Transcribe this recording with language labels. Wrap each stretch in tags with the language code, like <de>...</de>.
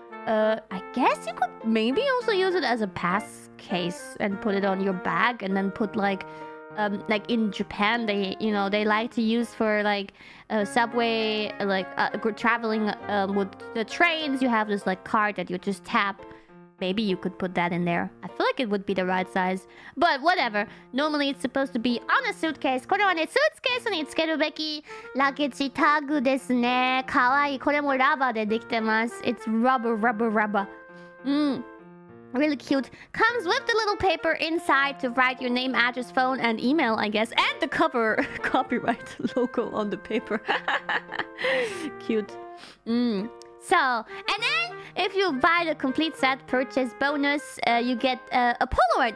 <en>I guess you could maybe also use it as a pass case and put it on your bag and then put like in Japan, they like to use for like a subway, like traveling with the trains. You have this like card that you just tap. Maybe you could put that in there. I feel like it would be the right size, but whatever. Normally it's supposed to be on a suitcase.</en> <ja>これはね、スーツケースにつけるべきラケッジタグですね。かわいい。これもラバーでできてます。</ja> <en>It's rubber. Really cute. Comes with the little paper inside to write your name, address, phone, and email, I guess. And the cover copyright logo on the paper. Cute. So, and then if you buy the complete set purchase bonus, you get a Polaroid.</en>